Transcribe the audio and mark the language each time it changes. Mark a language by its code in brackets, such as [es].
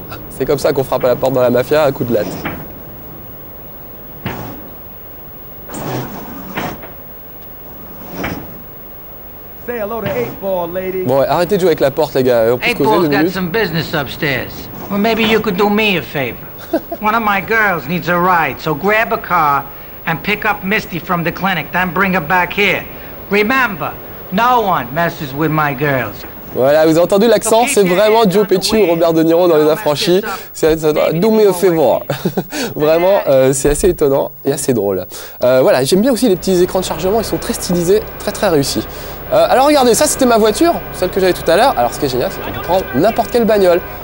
[fr] C'est comme ça qu'on frappe à la porte dans la mafia à coup de latte. [en] Say hello to 8-Ball, lady. [fr] Bon, ouais, arrêtez de jouer avec la porte, les gars. On peut causer deux minutes. [en] Some business upstairs. Well, maybe you could do me a favor. One of my girls needs a ride, so grab a car and pick up Misty from the clinic, then bring her back here. Remember, no one messes with my girls. [fr] Voilà, vous avez entendu l'accent, c'est vraiment Joe Pesci ou Robert De Niro dans Les Affranchis. D'où me fait voir. Vraiment, c'est assez étonnant et assez drôle. Voilà, j'aime bien aussi les petits écrans de chargement, ils sont très stylisés, très très réussis. Alors regardez, ça c'était ma voiture, celle que j'avais tout à l'heure. Alors ce qui est génial, c'est qu'on peut prendre n'importe quelle bagnole.